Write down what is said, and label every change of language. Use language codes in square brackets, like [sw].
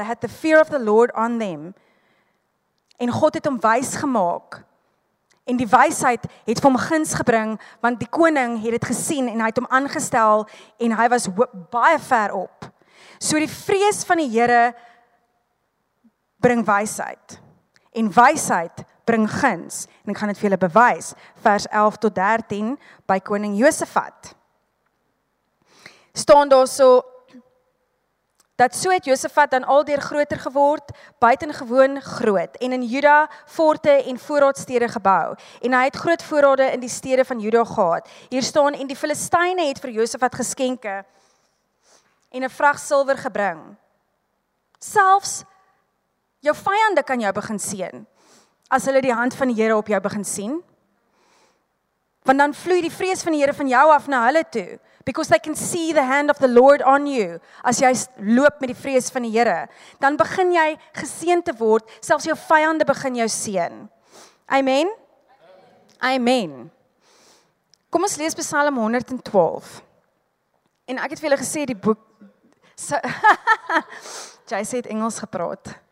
[en] They had the fear of the Lord on them. [af] En God het hom wys gemaak. En die wysheid het vir hom guns gebring, want die koning het dit gesien en hy het hom aangestel en hy was baie ver op. So die vrees van die Here bring wysheid. En wysheid bring guns. En ek gaan dit vir julle bewys. Vers 11 tot 13 by koning Josafat. Staan daar so, dat so het Josafat dan aldeer groter geword, buitengewoon groot, en in Juda forte en voorraadstede gebou. En hy het groot voorrade in die stede van Juda gehad. Hier staan, en die Filistyne het vir Josafat geskenke en 'n vrag silwer gebring. Selfs jou vyande kan jou begin sien, as hulle die hand van die Here op jou begin sien. Want dan vloei die vrees van die Here van jou af na hulle toe. [en] Because they can see the hand of the Lord on you. [af] As jy loop met die vrees van die Here, dan begin jy geseën te word, selfs jou vyande begin jou seën. Amen. Amen. Kom ons lees Psalm 112. En ek het vir julle gesê die boek so, jy sê dit Engels gepraat.